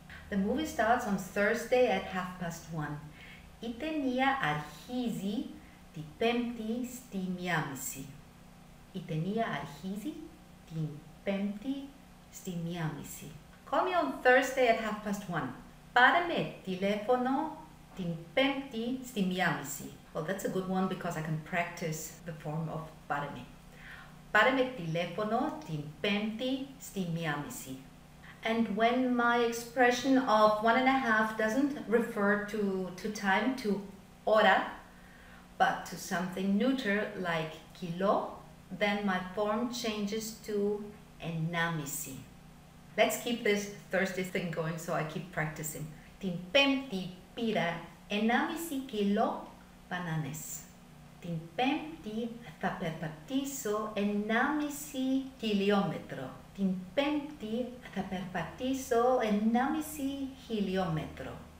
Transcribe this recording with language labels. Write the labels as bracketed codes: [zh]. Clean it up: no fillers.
[en] The movie starts on Thursday at 1:30. [el] Η ταινία αρχίζει την Πέμπτη στη μία μισή. Η ταινία αρχίζει την Πέμπτη στη μία μισή. [en] Call me on Thursday at 1:30. [el] Πάρε με τηλέφωνο την Πέμπτη στη μία μισή. [en] Well, that's a good one because I can practice the form of [el] πάρε με. Πάρε με τηλέφωνο την Πέμπτη στη μία μισή. [en] And when my expression of 1.5 doesn't refer to time, to ώρα, but to something neuter like κιλό, then my form changes to ενάμιση. Let's keep this Thursday thing going so I keep practicing. [el] Την Πέμπτη πήρα ενάμιση κιλό μπανάνες. Την Πέμπτη θα περπατήσω ενάμιση χιλιόμετρο. Την Πέμπτη θα περπατήσω ενάμιση χιλιόμετρο.